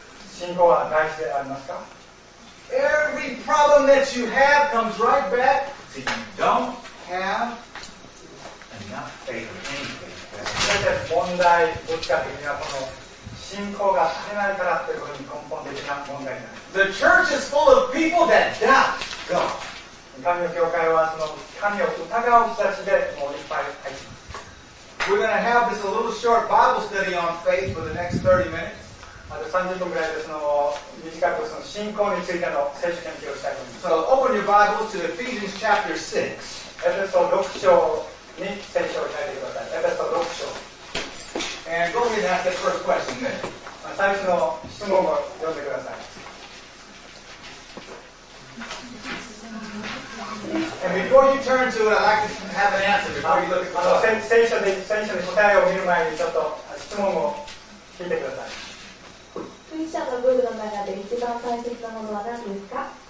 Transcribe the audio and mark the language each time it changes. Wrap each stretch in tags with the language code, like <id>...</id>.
<ja>信仰は大事でありますか?</ja> <en>Every problem that you have comes right back to you don't have enough faith or anything.</en> <ja>全て問題どっちかというのはこの信仰が足りないからということに根本的な問題になる。</ja> <en>The church is full of people that doubt God.</en> <ja>神の教会はその神を疑う人たちでもういっぱい入っています</ja> <en>We're going to have this a little short Bible study on faith for the next 30 minutes.</en> <ja>あと30分ぐらいでその短くその信仰についての聖書研究をしたいと思います。</ja> <en>So open your Bibles to Ephesians chapter 6.</en> <ja>エペソ6章に聖書を開いてください。エペソ6章。</ja> <en>And go ahead and ask the first question then.</en> <ja>最初の質問を読んでください。</ja> <en>And before you turn to it, I'd like to have an answer before you look at the question.</en> <ja>聖書で、聖書で答えを見る前にちょっと質問を聞いてください。クリスチャンのルールの中で一番大切なものは何ですか？</ja>